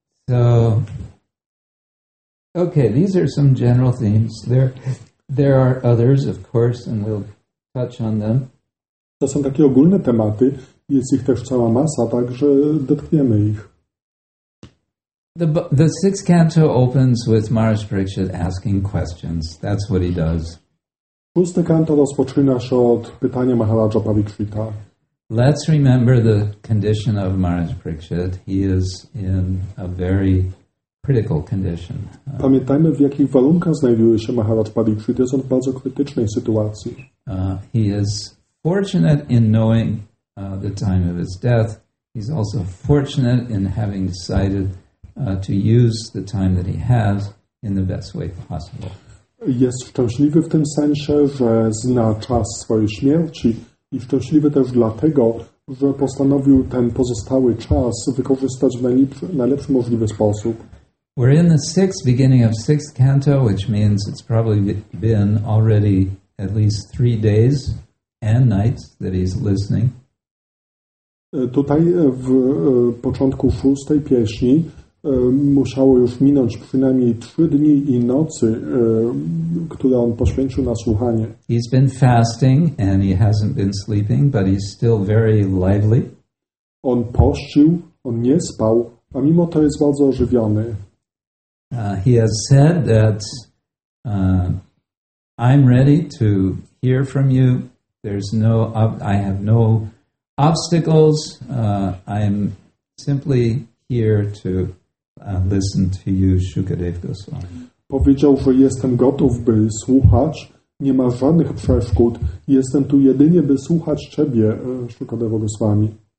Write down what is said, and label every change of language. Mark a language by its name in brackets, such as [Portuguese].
[English] So, okay, these are some general themes. There are others, of course, and we'll touch on them. [Polish] To są takie ogólne tematy, jest ich też cała masa, także dotkniemy ich. [English] The sixth canto opens with Maharaj Parikshit asking questions. That's what he does. [Polish] Szósty kanto rozpoczyna się od pytania Maharaja Parikshita. [English] Let's remember the condition of Maharaj Parikshit. He is in a very critical condition. [Polish] Pamiętajmy, w jakich warunkach znajduje się Maharaj Parikshit. Jest on w bardzo krytycznej sytuacji. [English] He is fortunate in knowing the time of his death. He's also fortunate in having decided to use the time that he has in the best way possible. [Polish] Jest szczęśliwy w tym sensie, że zna czas swojej śmierci i szczęśliwy też dlatego, że postanowił ten pozostały czas wykorzystać w najlepszy możliwy sposób. [English] We're in the sixth, beginning of sixth canto, which means it's probably been already at least 3 days and nights that he's listening. [Polish] Tutaj w początku szóstej pieśni musiało już minąć przynajmniej 3 dni i nocy, które on poświęcił na słuchanie. [English] He's been fasting and he hasn't been sleeping, but he's still very lively. [Polish] On pościł, on nie spał, a mimo to jest bardzo ożywiony. [English] He has said that I'm ready to hear from you. There's no, I have no obstacles. I'm simply here to listen to you, Shukadev Goswami. [Polish] Powiedział, że jestem gotów, by słuchać, Nie ma żadnych przeszkód. Jestem tu jedynie, by słuchać Ciebie, Shukadeva Goswami.